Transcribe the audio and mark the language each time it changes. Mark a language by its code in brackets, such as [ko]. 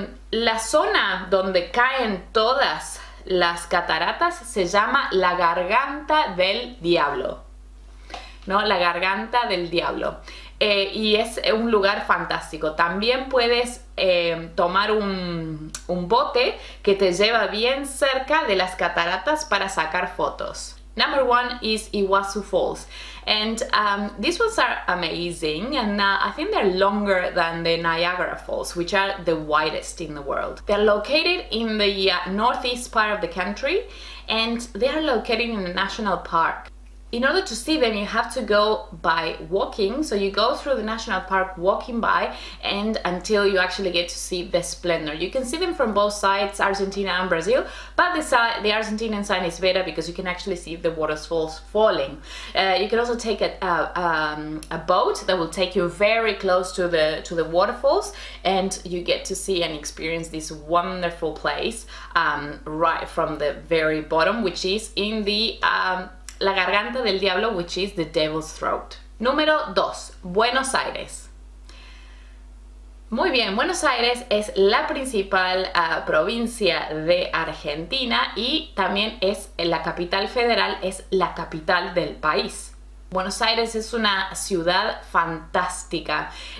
[es] La zona donde caen todas las cataratas se llama la Garganta del Diablo, ¿no? La Garganta del Diablo. Y es un lugar fantástico. También puedes tomar un bote que te lleva bien cerca de las cataratas para sacar fotos. [en] Number one is Iguazu Falls. And these ones are amazing, and I think they're longer than the Niagara Falls, which are the widest in the world. They're located in the northeast part of the country, and they are located in a national park. In order to see them, you have to go by walking. So you go through the national park walking by and until you actually get to see the splendor. You can see them from both sides, Argentina and Brazil, but the Argentinian sign is better because you can actually see the waterfalls falling. You can also take a boat that will take you very close to the waterfalls, and you get to see and experience this wonderful place right from the very bottom, which is in the La Garganta del Diablo, which is the Devil's Throat. [es] Número 2. Buenos Aires. Muy bien, Buenos Aires es la principal provincia de Argentina y también es la capital federal, es la capital del país. Buenos Aires es una ciudad fantástica.